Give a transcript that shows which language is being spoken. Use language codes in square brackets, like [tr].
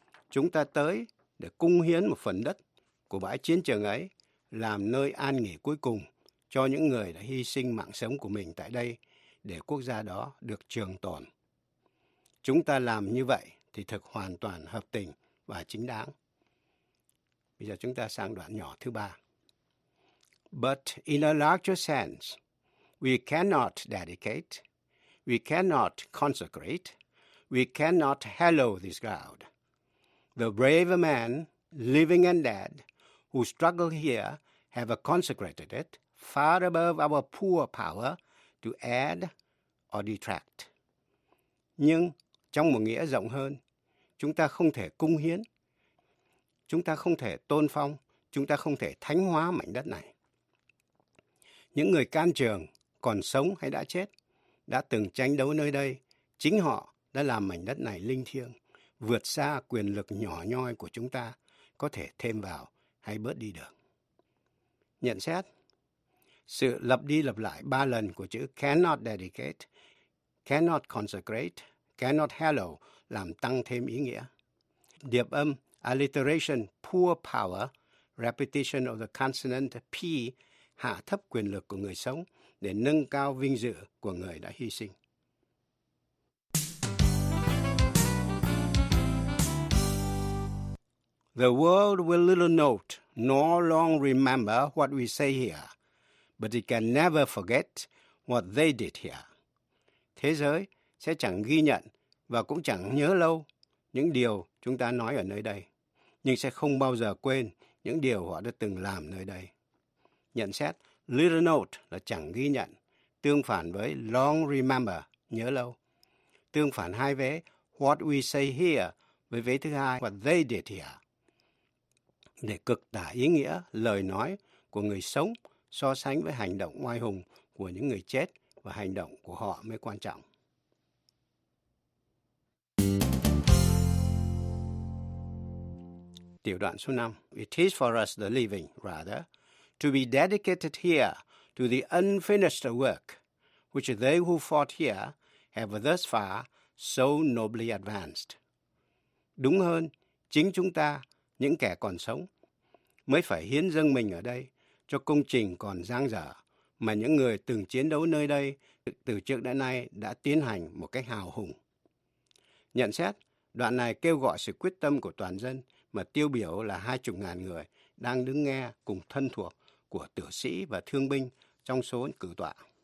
[vi] Chúng ta tới để cung hiến một phần đất của bãi chiến trường ấy làm nơi an nghỉ cuối cùng cho những người đã hy sinh mạng sống của mình tại đây để quốc gia đó được trường tồn. Chúng ta làm như vậy thì thực hoàn toàn hợp tình và chính đáng. Bây giờ chúng ta sang đoạn nhỏ thứ ba. [en] But in a larger sense, we cannot dedicate, we cannot consecrate, we cannot hallow this ground. The brave men, living and dead, who struggle here have consecrated it far above our poor power to add or detract. [vi] Nhưng trong một nghĩa rộng hơn, chúng ta không thể cung hiến, chúng ta không thể tôn phong, chúng ta không thể thánh hóa mảnh đất này. Những người can trường, còn sống hay đã chết, đã từng tranh đấu nơi đây, chính họ đã làm mảnh đất này linh thiêng, vượt xa quyền lực nhỏ nhoi của chúng ta, có thể thêm vào hay bớt đi được. Nhận xét, sự lặp đi lặp lại ba lần của chữ [en] cannot dedicate, cannot consecrate, cannot hallow [vi] làm tăng thêm ý nghĩa. Điệp âm, alliteration, [en] poor power, repetition of the consonant P, [vi] hạ thấp quyền lực của người sống để nâng cao vinh dự của người đã hy sinh. [en] The world will little note nor long remember what we say here, but it can never forget what they did here. [vi] Thế giới sẽ chẳng ghi nhận và cũng chẳng nhớ lâu những điều chúng ta nói ở nơi đây, nhưng sẽ không bao giờ quên những điều họ đã từng làm nơi đây. Nhận xét, little note là chẳng ghi nhận, tương phản với long remember, nhớ lâu. Tương phản hai vế, [en] what we say here, [vi] với vế thứ hai, [en] what they did here. [vi] Để cực tả ý nghĩa lời nói của người sống so sánh với hành động oai hùng của những người chết và hành động của họ mới quan trọng. Tiểu đoạn số 5. [en] It is for us the living, rather, to be dedicated here to the unfinished work which they who fought here have thus far so nobly advanced. [vi] Đúng hơn, chính chúng ta, những kẻ còn sống, mới phải hiến dâng mình ở đây cho công trình còn dang dở mà những người từng chiến đấu nơi đây từ trước đến nay đã tiến hành một cách hào hùng. Nhận xét, đoạn này kêu gọi sự quyết tâm của toàn dân mà tiêu biểu là 20.000 người đang đứng nghe cùng thân thuộc của tử sĩ và thương binh trong số cử tọa.